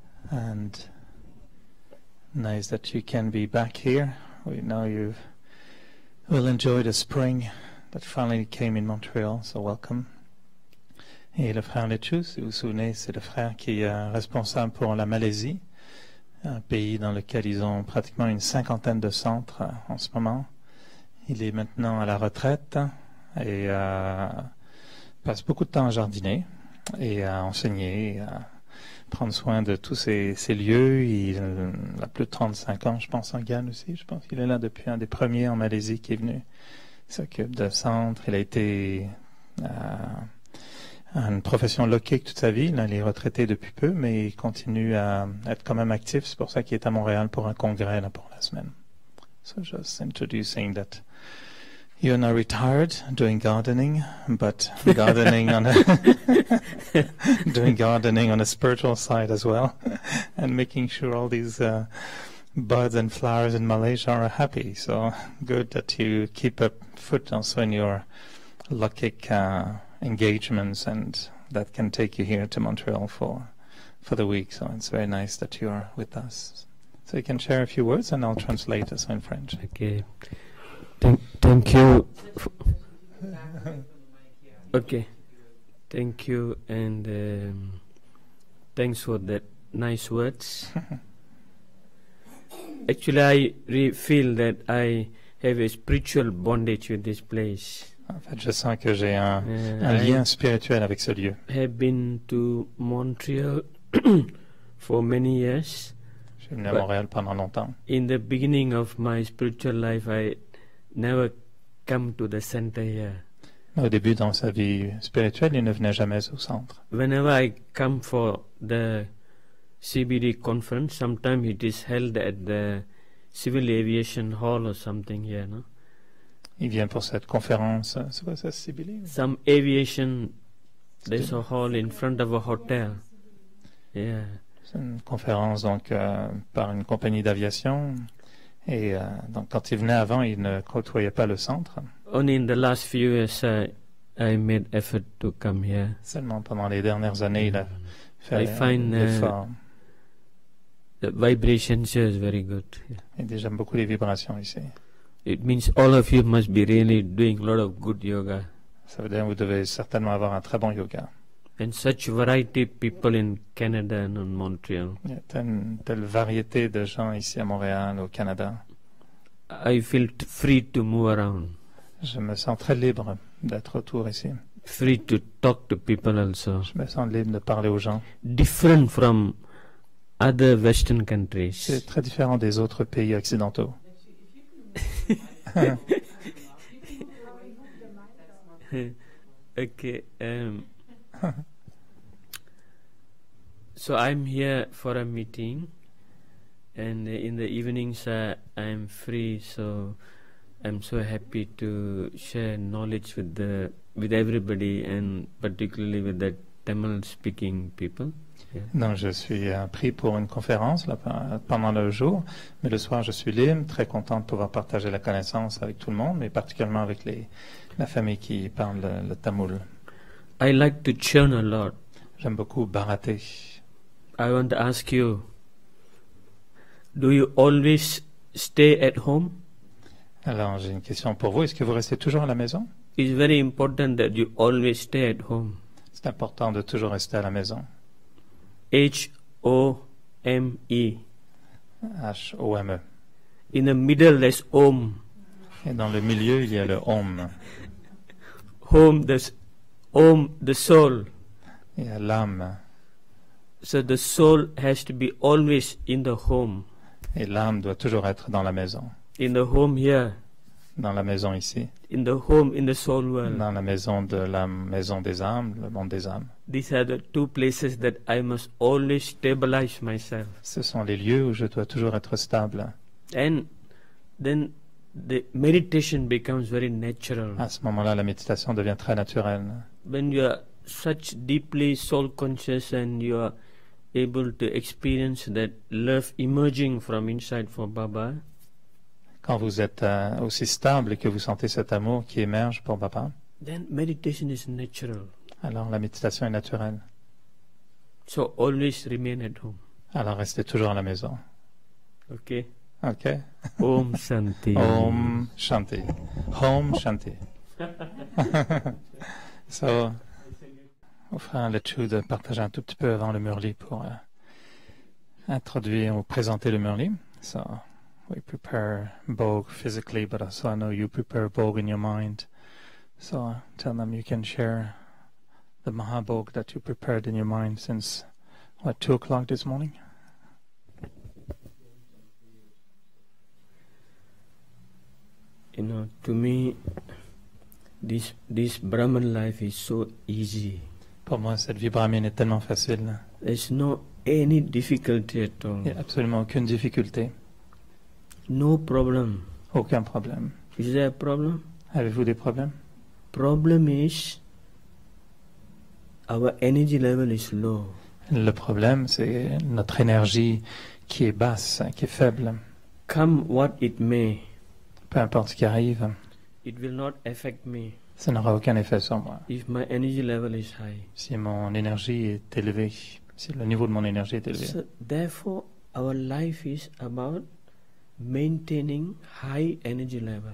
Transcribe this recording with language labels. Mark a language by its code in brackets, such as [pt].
[en] And nice that you can be back here. We know you will enjoy the spring that finally came in Montreal, so welcome. [fr] Et le frère Letchu, si vous vous souvenez, c'est le frère qui est responsable pour la Malaisie, un pays dans lequel ils ont pratiquement une cinquantaine de centres en ce moment. Il est maintenant à la retraite et passe beaucoup de temps à jardiner et à enseigner, et à prendre soin de tous ces lieux. Il a plus de 35 ans, je pense, en Guyane aussi. Je pense qu'il est là depuis un des premiers en Malaisie qui est venu. Il s'occupe de centres. Il a été une profession loquée toute sa vie. Là, il est retraité depuis peu, mais il continue à être quand même actif. C'est pour ça qu'il est à Montréal pour un congrès là, pour la semaine. [en] So just introducing that you're now retired doing gardening, but gardening on a doing gardening on a spiritual side as well, and making sure all these buds and flowers in Malaysia are happy. So good that you keep a foot also in your lucky engagements, and that can take you here to Montreal for the week. So it's very nice that you are with us. So you can share a few words, and I'll translate this in French. Okay. Thank you. Okay. Thank you, and thanks for the nice words. Actually, I feel that I have a spiritual bondage with this place. [fr] En fait, je sens que j'ai un lien spirituel avec ce lieu. [en] I have been to Montreal for many years. [fr] Je suis venu à Montréal pendant longtemps. [en] In the beginning of my spiritual life, I never come to the center here. [fr] Au début dans sa vie spirituelle, il ne venait jamais au centre. [en] Whenever I come for the CBD conference, sometimes it is held at the Civil Aviation Hall or something here, no? [fr] Il vient pour cette conférence, c'est quoi ça, CBD? [en] Some aviation, there's a hall in front of a hotel. Yeah. [fr] Une conférence donc par une compagnie d'aviation, et donc quand il venait avant, il ne côtoyait pas le centre. [en] Only in the last few years I made effort to come here. [fr] Seulement pendant les dernières années, il a fait l'effort. [en] The vibrations here is very good. Yeah. [fr] Et déjà beaucoup les vibrations ici. [en] It means all of you must be really doing a lot of good yoga. [fr] Ça veut dire que vous devez certainement avoir un très bon yoga. [en] And such variety of people in Canada and in Montreal. [fr] Il y a telle variété de gens ici à Montréal, au Canada. [en] I feel free to move around. [fr] Je me sens très libre d'être autour ici. [en] Free to talk to people also. [fr] Je me sens libre de parler aux gens. [en] Different from other Western countries. [fr] C'est très différent des autres pays occidentaux. [en] Okay. So I'm here for a meeting, and in the evenings I'm free, so I'm so happy to share knowledge with everybody, and particularly with the Tamil speaking people. Yeah. [fr] Non, je suis pris pour une conférence là, pendant le jour, mais le soir je suis libre, très content de pouvoir partager la connaissance avec tout le monde, mais particulièrement avec la famille qui parle le tamoul. [en] I like to churn a lot. [fr] J'aime beaucoup barater. [en] I want to ask you, do you always stay at home? [fr] Alors, j'ai une question pour vous. Est-ce que vous restez toujours à la maison? [en] It's very important that you always stay at home. [fr] C'est important de toujours rester à la maison. [en] H-O-M-E. [fr] H-O-M-E. [en] In the middle, there's home. [fr] Et dans le milieu, il y a le home. [en] Home, there's home, the soul. [fr] Il y a l'âme. [en] So the soul has to be always in the home. [fr] Et l'âme doit toujours être dans la maison. [en] In the home here. [fr] Dans la maison ici. [en] In the home, in the soul world. [fr] Dans la maison des âmes, le monde des âmes. [en] These are the two places that I must always stabilize myself. [fr] Ce sont les lieux où je dois toujours être stable. [en] And then the meditation becomes very natural. [fr] À ce moment-là, la méditation devient très naturelle. [en] When you are such deeply soul conscious and you are able to experience that love emerging from inside for Baba. [fr] quand vous êtes aussi stable et que vous sentez cet amour qui émerge pour papa, [en] then meditation is natural. [fr] Alors la méditation est naturelle. [en] So always remain at home. [fr] Alors restez toujours à la maison. Ok. Ok. Om Shanti. Om Shanti. Om Shanti. So, enfin, Letchu de partager un tout petit peu avant le Murli pour introduire ou présenter le Murli. [en] So, we prepare Bog physically, but also I know you prepare Bog in your mind. So, tell them you can share the Mahabog that you prepared in your mind since, what, 2 o'clock this morning? You know, to me, this Brahman life is so easy. [fr] Pour moi, cette vie brahmine est tellement facile. [en] There's no any difficulty at all. [fr] Il n'y a absolument aucune difficulté. [en] No problem. [fr] Aucun problème. [en] Is there a problem? [fr] Avez-vous des problèmes? [en] Problem is our energy level is low. [fr] Le problème, c'est notre énergie qui est basse, qui est faible. [en] Come what it may. [fr] Peu importe ce qui arrive, [en] it will not affect me. [fr] Ça n'aura aucun effet sur moi. [en] If my energy level is high. [fr] Si mon énergie est élevée, si le niveau de mon énergie est élevé. [en] So, therefore, our life is about maintaining high energy level.